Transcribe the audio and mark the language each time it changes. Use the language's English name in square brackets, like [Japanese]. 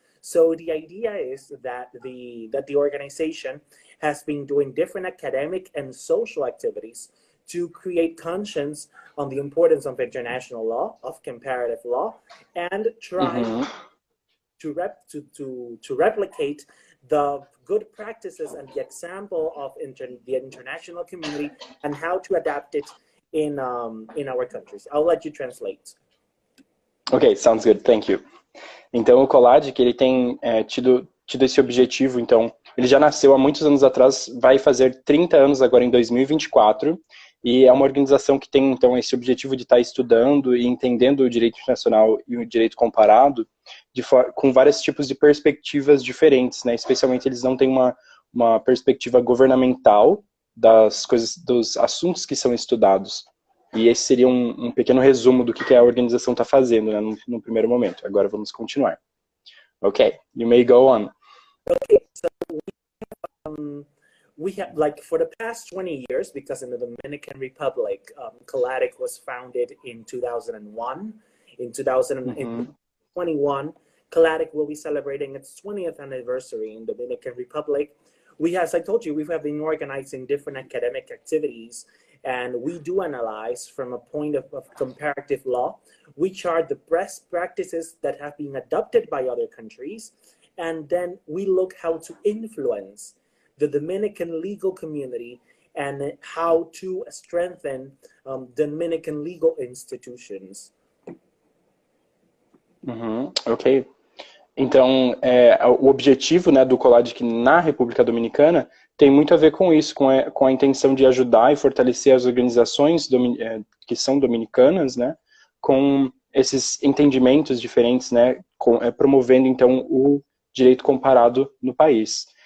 [English] So the idea is that the organization has been doing different academic and social activities to create conscience on the importance of international law, of comparative law, and try to replicate the good practices and the example of the international community and how to adapt it in our countries. I'll let you translate. Okay, sounds good. Thank you. [Portuguese] Então, o CLADIC, ele tem tido esse objetivo. Então, ele já nasceu há muitos anos atrás, vai fazer 30 anos agora em 2024, e é uma organização que tem, então, esse objetivo de estar estudando e entendendo o direito internacional e o direito comparado com vários tipos de perspectivas diferentes, né? Especialmente, eles não têm uma perspectiva governamental das coisas, dos assuntos que são estudados. E esse seria um pequeno resumo do que a organização está fazendo, né, no primeiro momento. Agora vamos continuar. [English] Okay, you may go on. Okay, so we have, like, for the past 20 years, because in the Dominican Republic, CLADIC was founded in 2001. In 2021, CLADIC will be celebrating its 20th anniversary in the Dominican Republic. We, as I told you, we have been organizing different academic activities, and we do analyze from a point of comparative law, which are the best practices that have been adopted by other countries, and then we look how to influence the Dominican legal community and how to strengthen Dominican legal institutions. Okay. [Portuguese] Então, o objetivo, né, do CLADIC na República Dominicana tem muito a ver com isso, com a intenção de ajudar e fortalecer as organizações que são dominicanas, né, com esses entendimentos diferentes, né, promovendo, então, o direito comparado no país.